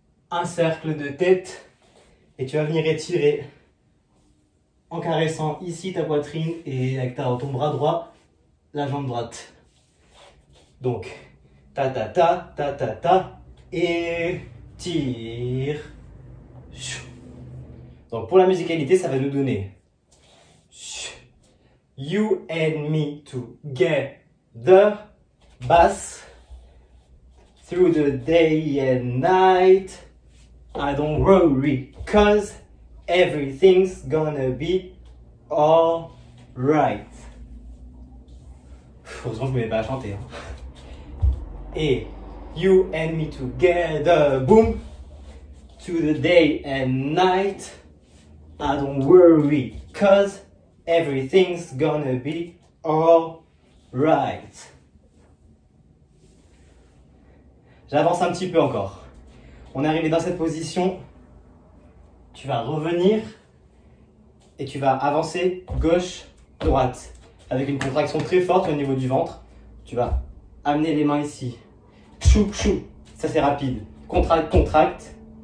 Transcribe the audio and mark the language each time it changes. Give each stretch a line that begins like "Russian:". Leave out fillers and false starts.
French: Un cercle de tête et tu vas venir étirer en caressant ici ta poitrine et avec ton bras droit, la jambe droite. Donc, ta ta ta, ta ta ta, et tire. Donc pour la musicalité, ça va nous donner.
English: You and me together, bass, through the day and night. I don't worry, cause everything's gonna be alright.
French: Heureusement que je ne m'avais pas à chanter. Hein.
English: Et you and me together, boom, to the day and night. I don't worry, cause everything's gonna be alright.
French: J'avance un petit peu encore. On est arrivé dans cette position, tu vas revenir et tu vas avancer gauche, droite avec une contraction très forte au niveau du ventre. Tu vas amener les mains ici, chou, chou, ça c'est rapide, contracte, contracte.